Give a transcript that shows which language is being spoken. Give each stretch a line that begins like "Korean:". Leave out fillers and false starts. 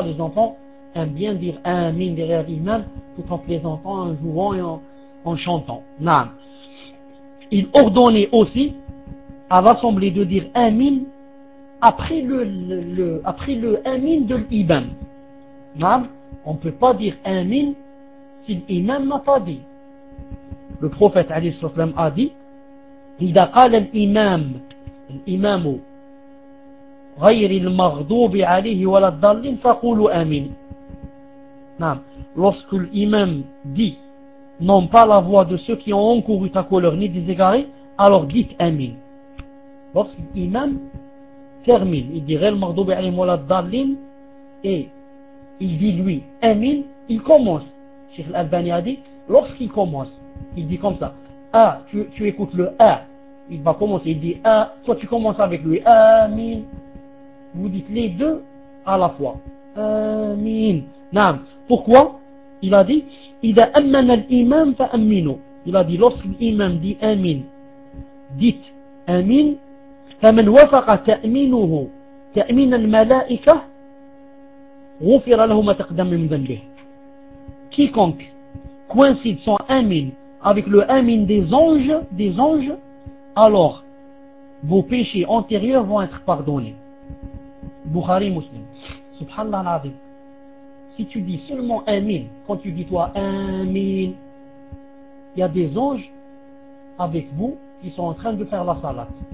French: Les enfants aiment bien dire amin derrière l'imam tout en plaisantant, en jouant et en chantant. Naam. Il ordonnait aussi à l'assemblée de dire amin après le amin de l'imam. Non, on ne peut pas dire amin si l'imam n'a pas dit. Le prophète alayhi sallam a dit:
Arabic: إذا قال الإمام الإمام غير المغضوب عليه ولا الضالين فقولوا آمين.
French: Non, lorsque l'imam dit non pas la voix de ceux qui ont encouru ta colère ni des égarés, alors dites amin. Lorsque l'imam termine, il dirait
Arabic: le mardoubi alayhi wa l'addallin
French: et il dit lui amin, il commence. Cheikh Al-Albani a dit, lorsqu'il commence, il dit comme ça, ah, tu écoutes le ah, il va commencer, il dit ah, toi tu commences avec lui, amin. Vous dites les deux à la fois, amin. Naam. Pourquoi? Il a dit,
Arabic: idha ammana al-imam fa amminu.
French: Il a dit, lorsque l'imam dit amin, dites amin.
Arabic: فمن وافق تأمينه تأمين الملائكة غفر له ما تقدم من ذنبه.
French: Quiconque coïncide son amin avec le amin des anges, alors vos péchés antérieurs vont être pardonnés. Bukhari Muslim.
Arabic: Subhanallah al-Azim.
French: Si tu dis seulement amin, quand tu dis toi amin, il y a des anges avec vous qui sont en train de faire la salat.